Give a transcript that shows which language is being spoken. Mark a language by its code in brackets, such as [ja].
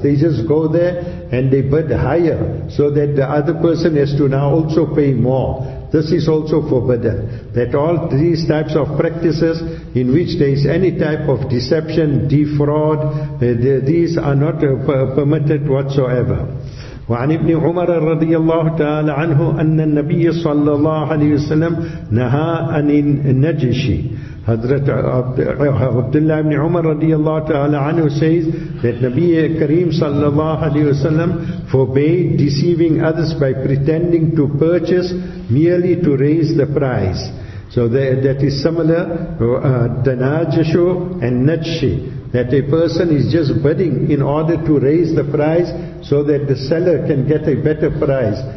[en] They just go there and they bid higher, so that the other person has to now also pay more. This is also forbidden. That all these types of practices in which there is any type of deception, defraud, these are not permitted whatsoever. [ar] وعن ابن عمر رضي الله تعالى عنه أن النبي صلى الله عليه وسلم نهى عن النجش. [en] Hazrat Abdullah ibn Umar radiyallahu ta'ala anhu says that Nabi Kareem sallallahu alayhi wa sallam forbade deceiving others by pretending to purchase merely to raise the price. So that is similar to danajashu and najshi, that a person is just bidding in order to raise the price so that the seller can get a better price.